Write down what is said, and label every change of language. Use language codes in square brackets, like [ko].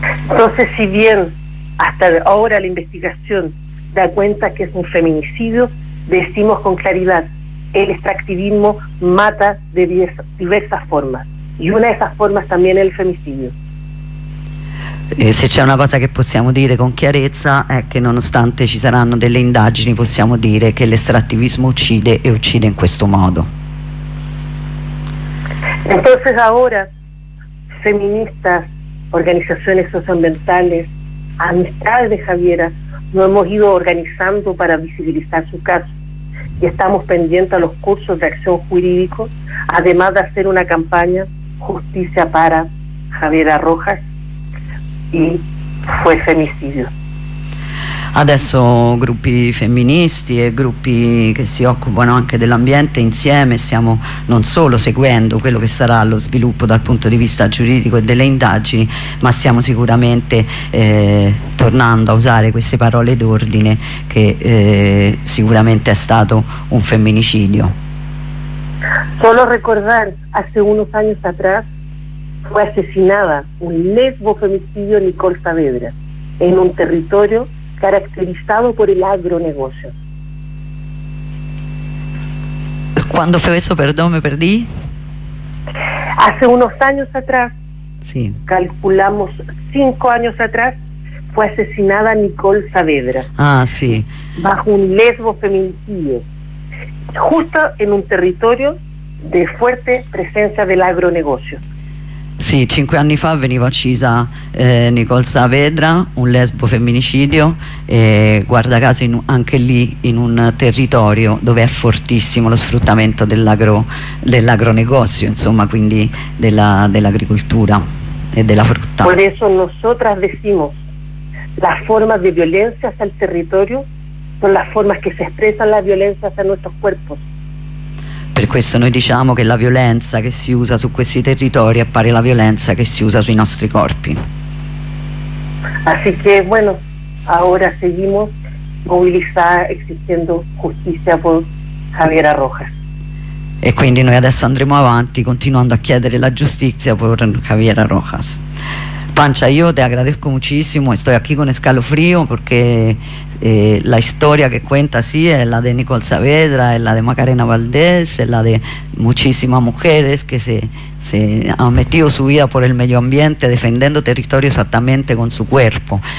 [es] Entonces, si bien hasta ahora la investigación da cuenta que es un feminicidio, decimos con claridad, el extractivismo mata de diversas formas, y una de esas formas también es el femicidio. [it] Se c'è una cosa che possiamo dire con chiarezza è che, nonostante ci saranno delle indagini, possiamo dire che l'estrattivismo uccide, e uccide in questo modo. [es] Entonces ahora feministas, organizaciones socioambientales, amistades de Javiera, nos hemos ido organizando para visibilizar su caso, y estamos pendientes a los cursos de acción jurídico, además de hacer una campaña Justicia para Javiera Rojas y Fue Femicidio. [it] adesso gruppi femministi e gruppi che si occupano anche dell'ambiente insieme stiamo non solo seguendo quello che sarà lo sviluppo dal punto di vista giuridico e delle indagini, ma stiamo sicuramente tornando a usare queste parole d'ordine che sicuramente è stato un femminicidio. [es] Solo recordar, hace unos años atrás fue asesinada un lesbo femicidio Nicole Saavedra en un territorio caracterizado por el agronegocio. ¿Cuándo fue eso? Perdón, me perdí. Hace unos años atrás, sí. Calculamos 5 años atrás, fue asesinada Nicole Saavedra. Ah, sí. Bajo un lesbo femicidio. Justo en un territorio de fuerte presencia del agronegocio. [it] Sì, 5 anni fa veniva uccisa Nicole Saavedra, un lesbo femminicidio, guarda caso anche lì in un territorio dove è fortissimo lo sfruttamento dell'agronegocio, insomma, quindi dell'agricoltura e della frutta. [es] Por eso nosotras decimos, las formas de violencia hacia el territorio son las formas que se expresan la violencia hacia nuestros cuerpos. [it] Per questo noi diciamo che la violenza che si usa su questi territori è pari alla violenza che si usa sui nostri corpi. [es] Así que bueno, ahora seguimos movilizando, exigiendo justicia por Javiera Rojas. [it] E quindi noi adesso andremo avanti continuando a chiedere la giustizia per Javiera Rojas. [es] Pancia, io te agradezco muchísimo, estoy aquí con escalofrío porque la historia que cuenta sí es la de Nicole Saavedra, es la de Macarena Valdés, es la de muchísimas mujeres que se han metido su vida por el medio ambiente defendiendo territorio exactamente con su cuerpo.